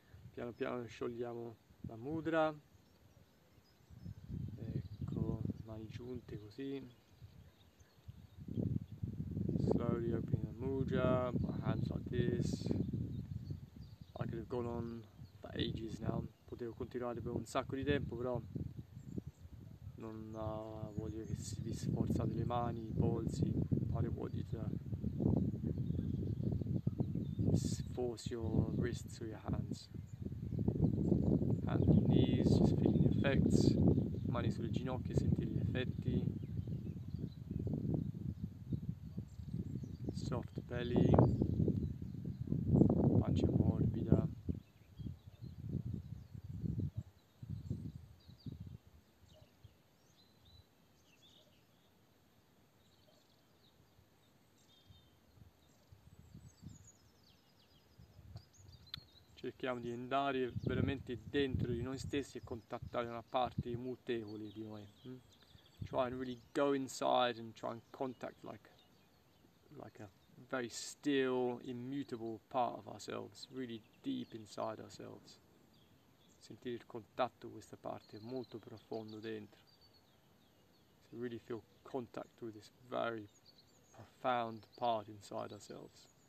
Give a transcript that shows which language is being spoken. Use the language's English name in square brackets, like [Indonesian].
[Italian] Piano piano sciogliamo la mudra, ecco, mani giunte così. [English] Slowly opening the mudra, my hands like this. I could have gone on for ages now. [Italian] Potevo continuare per un sacco di tempo, però non voglio che si vi sforzate le mani, I polsi, fare un po' di [English] force your wrists through your hands. Hands on knees, just feeling the effects. [Italian] Mani sulle ginocchia, sentire gli effetti. [English] Soft belly, [Italian] pancia morbida, cerchiamo di andare veramente dentro di noi stessi e contattare una parte mutevole di noi. [English] Try and really go inside and try and contact like a very still, immutable part of ourselves, really deep inside ourselves. [Italian] Sentire il contatto, questa parte molto profondo dentro. [English] So really feel contact with this very profound part inside ourselves.